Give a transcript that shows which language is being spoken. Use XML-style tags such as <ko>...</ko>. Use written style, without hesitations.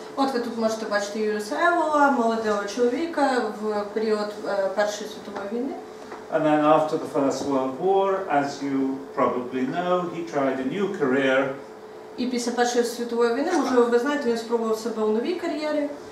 <uk>От ви тут можете бачити Юліуса Евола, молодого чоловіка в період Першої світової війни.</uk> <en>And then after the First World War, as you probably know, he tried a new career.</en> <uk>І після Першої світової війни, можливо, ви знаєте, він спробував себе у новій кар'єрі.</uk>